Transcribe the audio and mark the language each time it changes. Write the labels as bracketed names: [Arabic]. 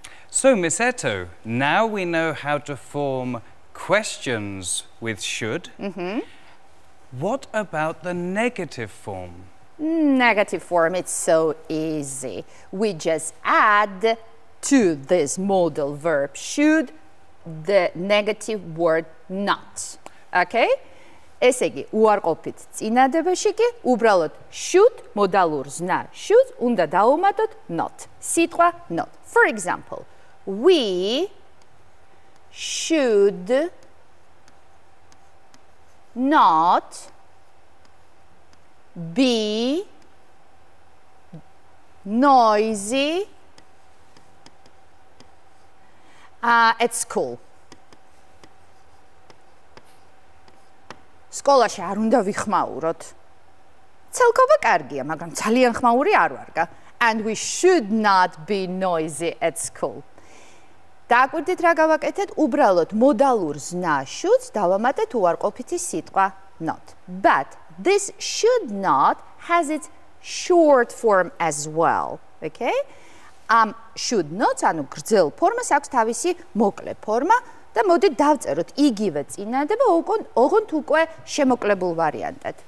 [English] So, Miss Eto, now we know how to form questions with should. Mm-hmm. What about the negative form? Negative form, it's so easy. We just add to this modal verb should the negative word not. Okay? [Georgian] ესე იგი, უარყოფით წინადებაში კი უბრალოდ should მოდალურ ზნა should უნდა დავუმატოთ not. სიტყვა not. [English] For example, we should not be noisy at school. [Georgian] სკოლაში არ უნდა ვიხმაუროთ. ცელკობა კარგია, მაგრამ ძალიან ხმაური არ ვარგა. [English] And we should not be noisy at school. [Georgian] დააკვირდით რა გავაკეთეთ? უბრალოდ მოდალურ ზნა should დავამატეთ უარყოფითი სიტყვა not. [English] But this should not has its short form as well. Okay? Should not, [Georgian] ანუ გრძელ ფორმას აქვს თავისი მოკლე ფორმა. Და მოდით დავწეროთ იგივე წინადება, ოღონდ უკვე შემოკლებულ ვარიანტად.